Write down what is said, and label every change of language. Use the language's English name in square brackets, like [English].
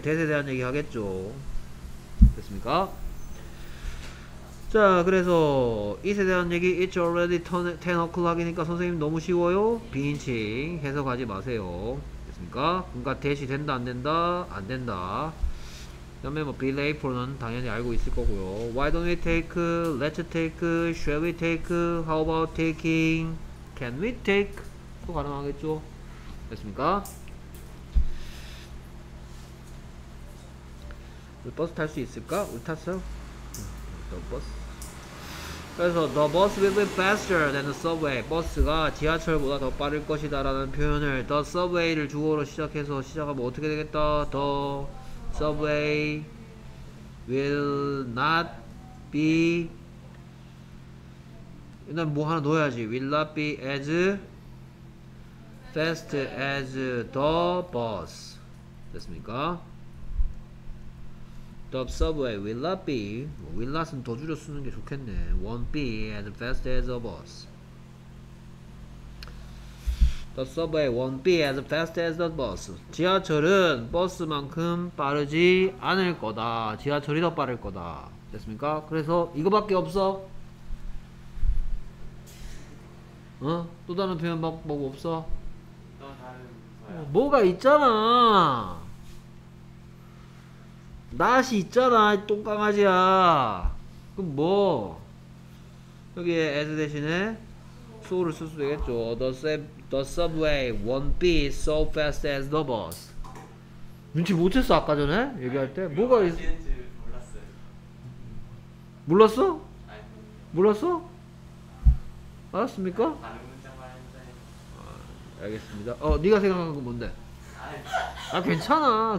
[Korean] 대세에 대한 얘기 하겠죠. 됐습니까? 자 그래서 이세에 대한 얘기 [English] it's already 10 o'clock [Korean] 이니까 선생님 너무 쉬워요? 비인칭 해석하지 마세요. 됐습니까? 그러니까 대시 된다 안된다? 안된다. 그 다음에 뭐 [English] be late for [Korean] 는 당연히 알고 있을 거고요. [English] Why don't we take, let's take, shall we take, how about taking, can we take? [Korean] 또 가능하겠죠? 됐습니까? 우리 버스 탈 수 있을까? 우리 탔어요? [English] The bus. [Korean] 그래서 [English] the bus will be faster than the subway. [Korean] 버스가 지하철보다 더 빠를 것이다 라는 표현을 [English] the subway [Korean] 를 주어로 시작해서 시작하면 어떻게 되겠다? [English] The subway will not be [Korean] 일단 뭐 하나 넣어야지 [English] will not be as fast as the bus [Korean] 됐습니까? [English] the subway will not be will not은 [Korean] 더 줄여 쓰는 게 좋겠네 [English] won't be as fast as a bus The subway won't be as fast as the bus. [Korean] 지하철은 버스만큼 빠르지 않을 거다. 지하철이 더 빠를 거다. 됐습니까? 그래서 이거밖에 없어? 어? 또 다른 표현 뭐 없어? 또 다른 거야. 뭐가 있잖아. not 있잖아, 똥강아지야. 그럼 뭐? 여기에 as 대신에 so를 쓸 수도 있겠죠. [English] The subway won't be so fast as the bus. [Korean] 눈치 못했어 아까 전에 얘기할 때 아니, 뭐가 있는지 몰랐어요. 몰랐어? 아니, 몰랐어? 알았습니까? 다른 아, 알겠습니다. 어 네가 생각한 건 뭔데? 아니, 아 괜찮아.